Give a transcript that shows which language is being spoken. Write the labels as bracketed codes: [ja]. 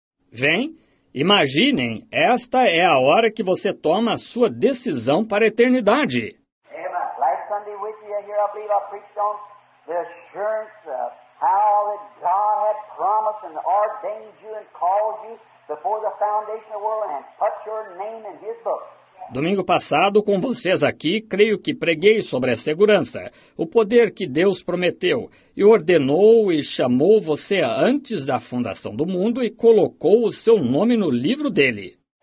[pt] Vem, imaginem, esta é a hora que você toma a sua decisão para a eternidade. [en] Amen. Last Sunday with you, I believe I preached on the assurance of how that God had promised and ordained you and called you before the foundation of the world and put your name in His book. [pt] Domingo passado, com vocês aqui, creio que preguei sobre a segurança, o poder que Deus prometeu e ordenou e chamou você antes da fundação do mundo e colocou o seu nome no livro dele.